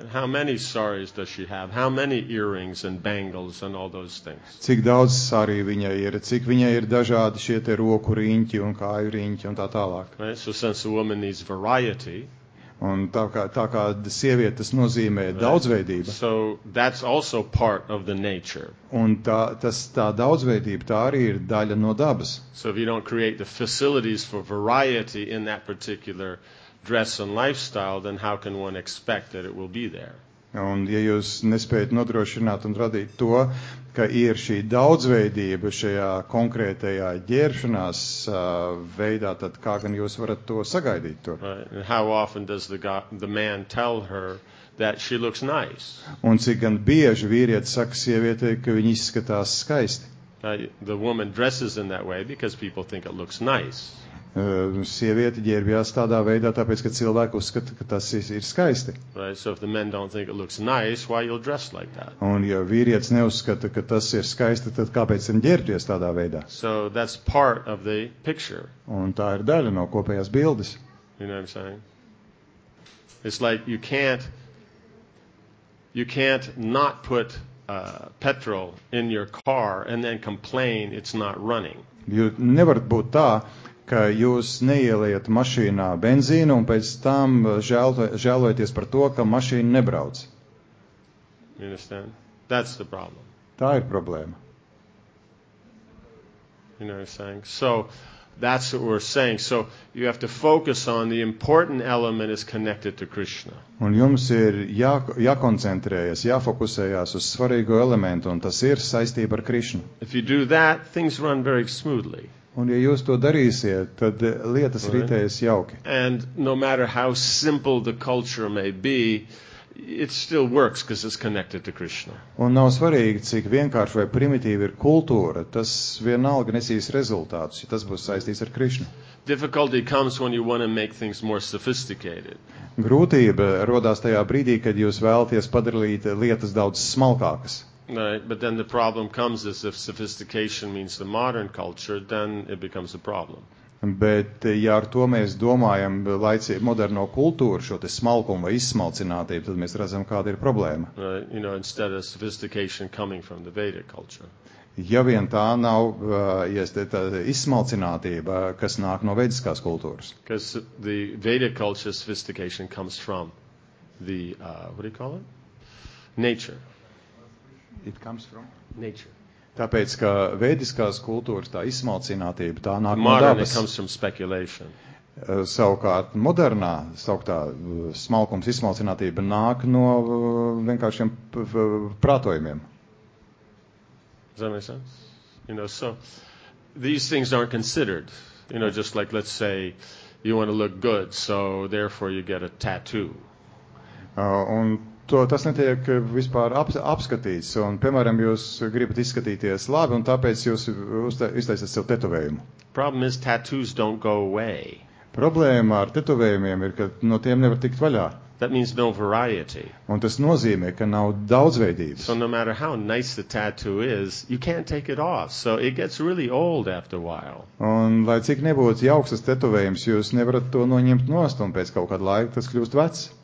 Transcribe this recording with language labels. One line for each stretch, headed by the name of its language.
English: How many saris does she have? How many earrings and bangles and all those things?
Latvian: Cik daudz sari viņa ir? Cik viņa ir dažādi šie te roku riņķi un kāju riņķi un tā tālāk?
English: Right? So since a woman needs variety...
Latvian: Un tā kā sievietes nozīmē daudzveidība.
English: So that's also part of the nature.
Latvian: Un tā daudzveidība, tā arī ir daļa no dabas.
English: So if you don't create the facilities for variety in that particular dress and lifestyle, then how can one expect that it will be there?
Latvian: Un ja jūs nespējat nodrošināt un radīt to, ka ir šī daudzveidība šajā konkrētajā ģērbšanās veidā, tad kā gan jūs varat to sagaidīt tur?
English: Right. How often does the man tell her that she looks nice?
Latvian: Un cik gan bieži vīrietis saka sievietei, ka viņa izskatās skaisti?
English: The woman dresses in that way because people think it looks nice.
Latvian: Sievieti ģērbjās tādā veidā, tāpēc, ka cilvēki uzskata, ka tas ir skaisti.
English: Right, so if the men don't think it looks nice, why you'll dress like that?
Latvian: Un ja vīrietis neuzskata, ka tas ir skaisti, tad kāpēc viņam ģērbties tādā veidā?
English: So that's part of the picture.
Latvian: Un tā ir daļa no kopējās bildes.
English: You know what I'm saying? It's like you can't not put petrol in your car and then complain it's not running.
Latvian: Jūs nevarat būt tā, ka jūs neieliet mašīnā benzīnu un pēc tam žēlojieties par to, ka mašīna nebrauc.
English: You understand? That's the problem.
Latvian: Tā ir problēma.
English: You know what I'm saying? So, that's what we're saying. So, you have to focus on the important element is connected to Krishna.
Latvian: Un jums ir jākoncentrējas, jāfokusējās uz svarīgo elementu, un tas ir saistība ar Krishna.
English: If you do that, things run very smoothly.
Latvian: Un ja jūs to darīsiet, tad lietas ritējas jauki.
English: And no matter how simple the culture may be, it still works because it's connected to Krishna.
Latvian: Un nav svarīgi, cik vienkārši vai primitīva ir kultūra, tas vienalga nesīs rezultātus, ja tas būs saistīts ar Krishna.
English: Difficulty comes when you want to make things more sophisticated.
Latvian: Grūtība rodas tajā brīdī, kad jūs vēlaties padarīt lietas daudz smalkākas.
English: Right, but then the problem comes is if sophistication means the modern culture, then it becomes a problem.
Latvian: Bet, ja ar to mēs domājam laicību moderno kultūru, šo te smalkumu vai izsmalcinātību, tad mēs redzam, kāda ir problēma.
English: Right, you know, instead of sophistication coming from the Vedic culture.
Latvian: Ja vien tā nav, tā izsmalcinātība, kas nāk no vediskās kultūras.
English: Because the Vedic culture sophistication comes from the, what do you call it? Nature. It comes from nature.
Latvian: Tāpēc, ka vēdiskās kultūras tā izsmalcinātība, tā nāk
English: modern,
Latvian: no dabas.
English: It comes from speculation.
Latvian: Savukārt, modernā, sauktā smalkums izsmalcinātība nāk no vienkāršiem prātojumiem.
English: Does that make sense? You know, so these things aren't considered. You know, just like, let's say, you want to look good, so therefore you get a tattoo.
Latvian: Tas netiek vispār apskatīts, un, piemēram, jūs gribat izskatīties labi, un tāpēc jūs iztaisat sev tetovējumu.
English: Problem is, tattoos don't go away.
Latvian: Problēma ar tetovējumiem ir, ka no tiem nevar tikt vaļā.
English: That means no variety.
Latvian: Un tas nozīmē, ka nav daudzveidības.
English: So no matter how nice the tattoo is, you can't take it off. So it gets really old after a while.
Latvian: Un lai cik nebūtu jauks tas tetovējums, jūs nevarat to noņemt nost, un pēc kaut kāda laika tas kļūst vecs.